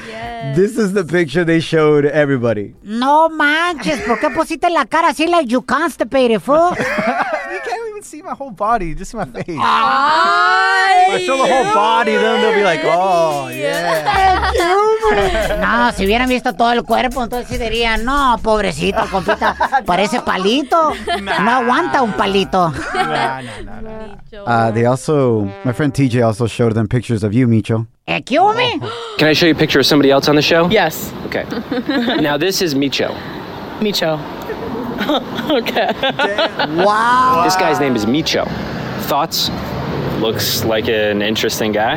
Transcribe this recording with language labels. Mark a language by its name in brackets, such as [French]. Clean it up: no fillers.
[English] Yes. This is the picture they showed everybody. [Spanish] No manches. ¿Por qué pusiste la cara así [English] like you constipated, fool? You can't even see my whole body. You just see my face. If I show the whole body, then they'll be like, oh, yeah. Thank you. [Spanish] No, si hubieran visto todo el cuerpo, entonces sí dirían, no, pobrecito, compita, parece palito. [English] Nah. [Spanish] No aguanta un palito. [English] Nah. They also, my friend TJ also showed them pictures of you, Micho. Can I show you a picture of somebody else on the show? Yes. Okay. Now this is Micho. Micho. Okay. Wow. This guy's name is Micho. Thoughts? Looks like an interesting guy.